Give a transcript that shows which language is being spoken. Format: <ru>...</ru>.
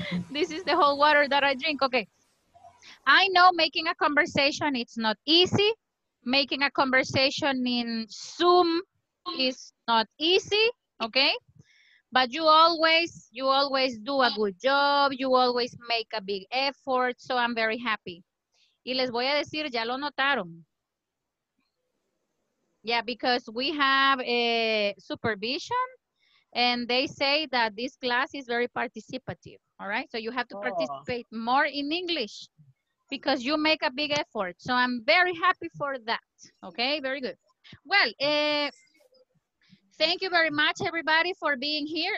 <en>This is the whole water that I drink. Okay. I know making a conversation, it's not easy. Making a conversation in Zoom is not easy. Okay. But you always do a good job, you always make a big effort, so I'm very happy.</en> <es>Y les voy a decir, ya lo notaron.</es> <en>Yeah, because we have a supervision, and they say that this class is very participative, all right? So you have to participate more in English, because you make a big effort. So I'm very happy for that, okay? Very good. Well, thank you very much, everybody, for being here.</en>